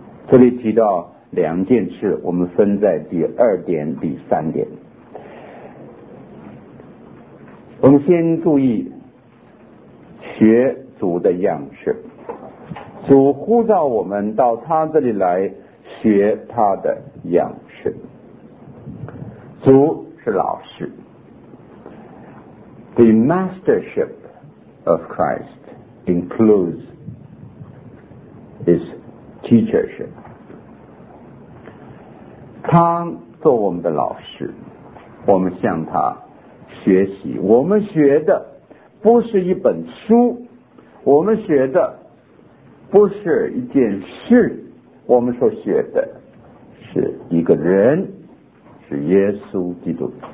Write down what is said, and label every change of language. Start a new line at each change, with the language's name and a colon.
Chinese: 这里提到两件事，我们分在第二点、第三点。我们先注意学主的样式。主呼召我们到他这里来学他的样式。主是老师，
English: The mastership of Christ includes his teachership。
Chinese: 他做我们的老师，我们向他学习。我们学的不是一本书，我们学的不是一件事，我们所学的是一个人，是耶稣基督。